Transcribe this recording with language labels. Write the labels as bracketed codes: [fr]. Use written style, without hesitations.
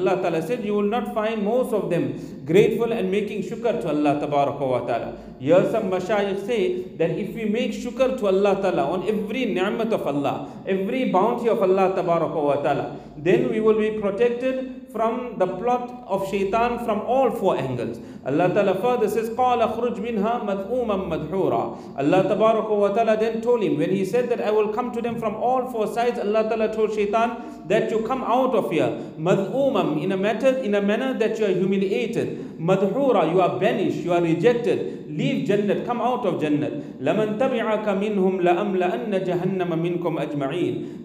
[en] Allah Ta'ala said, you will not find most of them grateful and making shukr to Allah Tabaraka wa Ta'ala. Here some mashayikh say that if we make shukr to Allah Ta'ala on every ni'mat of Allah, every bounty of Allah Tabaraka wa Ta'ala, then we will be protected from the plot of shaitan from all four angles. Allah Ta'ala further says, [ar] قَالَ خُرُجْ مِنْهَا مَذْؤُومًا مَذْحُورًا. [en] Allah Tabaraka wa Ta'ala then told him, when he said that I will come to them from all four sides, Allah Ta'ala told shaitan that you come out of here, مَذْؤُومًا, in a manner that you are humiliated, مَذْحُورًا, you are banished, you are rejected, leave Jannah, come out of Jannah. [ar] لَمَنْ تَبِعَكَ مِنْهُمْ لَأَمْلَأَنَّ جَهَنَّمَ مِنْكُمْ أَجْمَعِينَ.